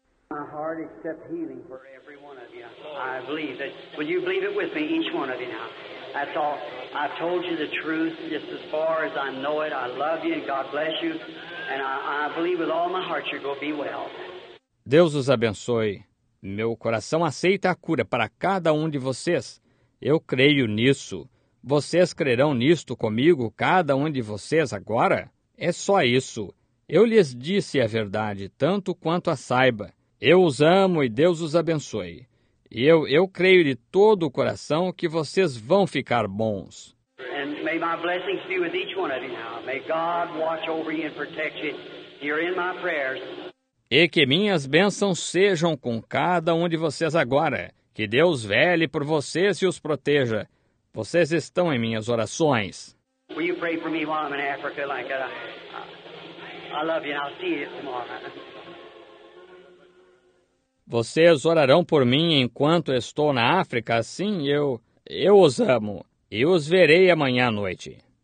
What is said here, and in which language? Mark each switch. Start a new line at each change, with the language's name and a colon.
English: My heart accepts healing for every one of you. I believe that. Will you believe it with me, each one of you now? That's all. I've told you the truth just as far as I know it. I love you and God bless you. And I believe with all my heart you're going to be well.
Portuguese: Deus os abençoe. Meu coração aceita a cura para cada um de vocês. Eu creio nisso. Vocês crerão nisto comigo, cada um de vocês, agora? É só isso. Eu lhes disse a verdade, tanto quanto a saiba. Eu os amo e Deus os abençoe. E eu creio de todo o coração que vocês vão ficar bons.
English: And may my blessings be with each one of you now. May God watch over you and protect you. You're in my prayers.
Portuguese: E que minhas bênçãos sejam com cada um de vocês agora. Que Deus vele por vocês e os proteja. Vocês estão em minhas orações.
English: Will you pray for me while I'm in Africa? Like I love you and I'll see you tomorrow.
Portuguese: Vocês orarão por mim enquanto estou na África? Sim, eu os amo e os verei amanhã à noite.